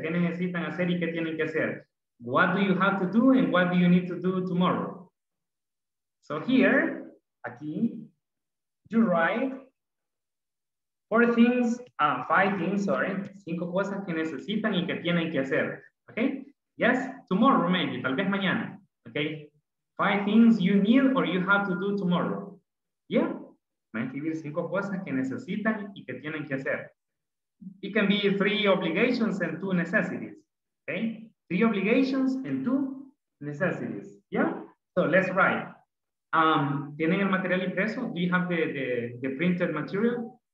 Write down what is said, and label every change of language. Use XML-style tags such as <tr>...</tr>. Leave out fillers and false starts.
<es>¿Qué necesitan hacer y qué tienen que hacer?</es> <en>What do you have to do and what do you need to do tomorrow? So here,</en> <es>aquí, you write cinco cosas que necesitan y que tienen que hacer, okay?</es> <en>Yes, tomorrow maybe,</en> <es>tal vez mañana,</es> <en>okay? Five things you need or you have to do tomorrow.</en> <es>Yeah, van a escribir cinco cosas que necesitan y que tienen que hacer.</es> <en>It can be three obligations and two necessities, okay? Three obligations and two necessities, yeah? So let's write.</en> <es>¿Tienen el material impreso?</es> <en>Do you have the printed material?</en>